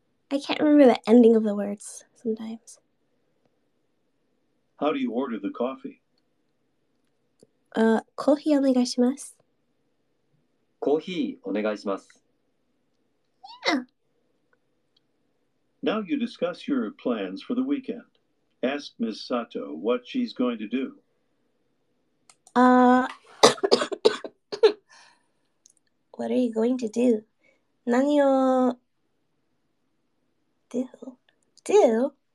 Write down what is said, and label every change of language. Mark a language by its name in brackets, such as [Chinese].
[English] I can't remember the ending of the words sometimes. How do you order the coffee? [Japanese] コーヒーお願いします。コーヒーお願いします。 [English] Now you discuss your plans for the weekend. Ask Ms. Sato what she's going to do. what are you going to do? [Japanese] 何を [English] do?